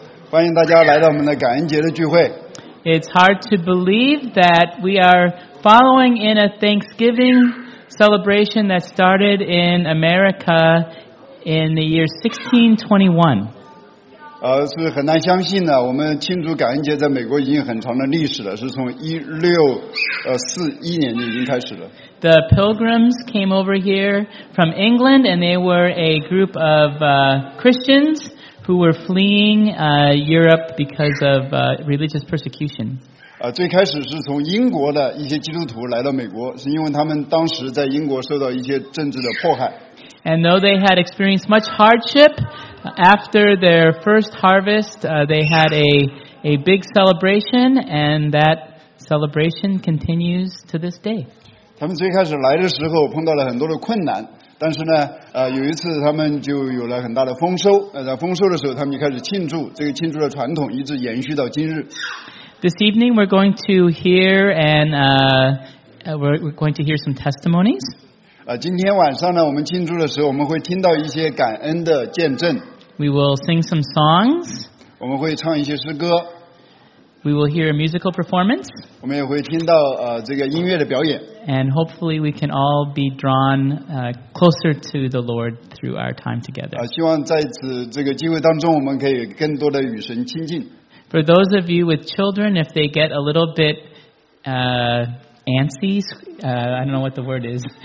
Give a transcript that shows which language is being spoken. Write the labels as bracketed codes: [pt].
[zh] 欢迎大家来到我们的感恩节的聚会. [en] It's hard to believe that we are following in a Thanksgiving celebration that started in America in the year 1621. [zh] 是很难相信的，我们庆祝感恩节在美国已经很长的历史了，是从1641年就已经开始了。 [en] The pilgrims came over here from England, and they were a group of Christians who were fleeing Europe because of religious persecution. [zh] 最开始是从英国的一些基督徒来到美国，是因为他们当时在英国受到一些政治的迫害。 [en] And though they had experienced much hardship, after their first harvest, they had a big celebration, and that celebration continues to this day. [zh] 他们最开始来的时候碰到了很多的困难，但是呢，有一次他们就有了很大的丰收。在丰收的时候，他们就开始庆祝。这个庆祝的传统一直延续到今日。 [en] This evening we're going to hear and we're going to hear some testimonies. [zh] 今天晚上呢，我们庆祝的时候，我们会听到一些感恩的见证。 [en] We will sing some songs. [zh] 我们会唱一些诗歌。 [en] We will hear a musical performance. [zh] 我们也会听到这个音乐的表演。 [en] And hopefully we can all be drawn closer to the Lord through our time together. [zh] 希望在此这个机会当中，我们可以更多的与神亲近。 [en] For those of you with children, if they get a little bit antsy, I don't know what the word is.